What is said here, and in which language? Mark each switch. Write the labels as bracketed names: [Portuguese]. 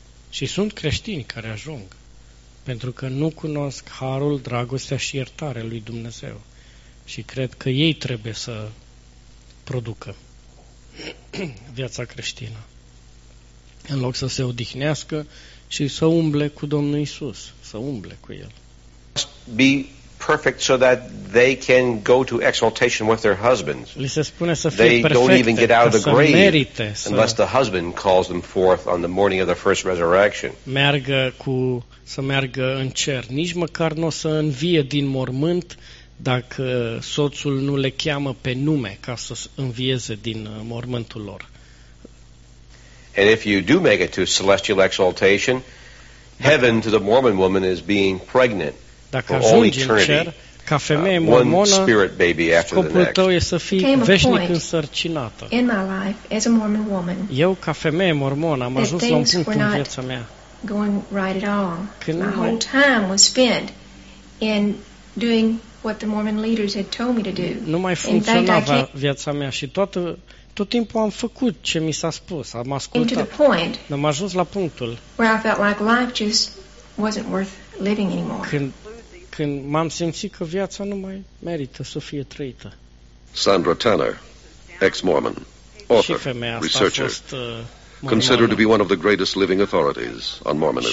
[Romanian] Și sunt creștini care ajung, pentru că nu cunosc harul, dragostea și iertarea lui Dumnezeu. Și cred că ei trebuie să producă viața creștină, în loc să se odihnească și să umble cu Domnul Iisus, să umble cu El. [English] Perfect so that they can go to exaltation with their husbands. [Romanian] Li se spune să fie perfecte, [English] they don't even get out of the grave unless the husband calls them forth on the morning of the first resurrection. [Romanian] Meargă cu, să meargă în cer, nici măcar n-o să învie din mormânt dacă soțul nu le cheamă pe nume ca să învieze din mormântul lor. [English] And if you do make it to celestial exaltation, heaven to the Mormon woman is being pregnant. [Romanian] Dacă ajungi în cer, Ca femeie mormonă, scopul tău e să fii veșnic însărcinată. [English] In my life, as a Mormon woman, [Romanian] eu, ca femeie mormonă, am ajuns la un punct în viața mea. [English] Going right at all. [Romanian] Când [English] my whole time was spent in doing what the Mormon leaders had told me to do. [Romanian] Nu mai funcționava viața mea și tot timpul am făcut ce mi s-a spus, am ascultat. Am ajuns la punctul [English] where I felt like life just wasn't worth living anymore. [Romanian] Când m-am simțit că viața nu mai merită să fie trăită. [English] Sandra Tanner, ex-Mormon, author, researcher, considered to be one of the greatest living authorities on Mormonism.